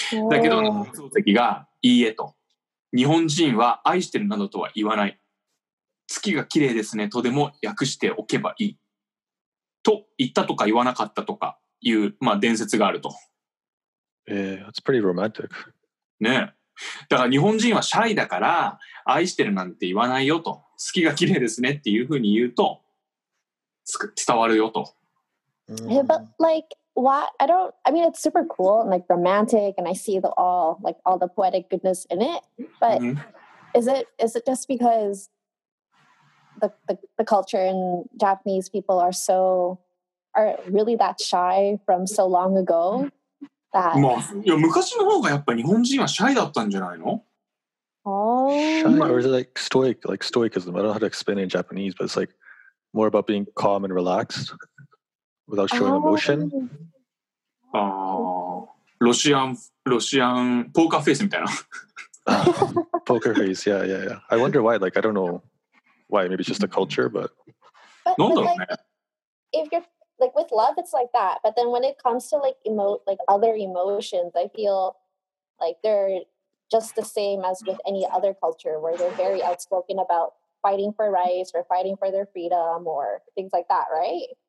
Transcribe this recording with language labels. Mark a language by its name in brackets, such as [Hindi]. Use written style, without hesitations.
[Japanese] だけど夏目漱石がいいえと、日本人は愛してるなどとは言わない、月が綺麗ですねとでも訳しておけばいいと言ったとか言わなかったとかいう、まあ、伝説があると。 [English] It's pretty romantic. [Japanese] ねえ。だから日本人はシャイだから愛してるなんて言わないよと、月が綺麗ですねっていうふうに言うと伝わるよと。 [English] Yeah, but like, why? I mean, it's super cool and like romantic, and I see the all like all the poetic goodness in it. But is it just because the culture in Japanese people are really that shy from so long ago that、 [Japanese] まあ、いや昔の方がやっぱ日本人はシャイだったんじゃないの。 [English] Shy or is it like stoicism? I don't know how to explain it in Japanese, but it's like more about being calm and relaxed without showing emotion. [Japanese] ロシアンポーカーフェイスみたいな。 [English] Poker face, yeah. I wonder why, like, I don't know. Why? Maybe it's just a culture, but... [Japanese] なんだろうね。 [English] if you're like with love, it's like that. But then when it comes to like other emotions, I feel like they're just the same as with any other culture, where they're very outspoken about fighting for rights or fighting for their freedom or things like that, right?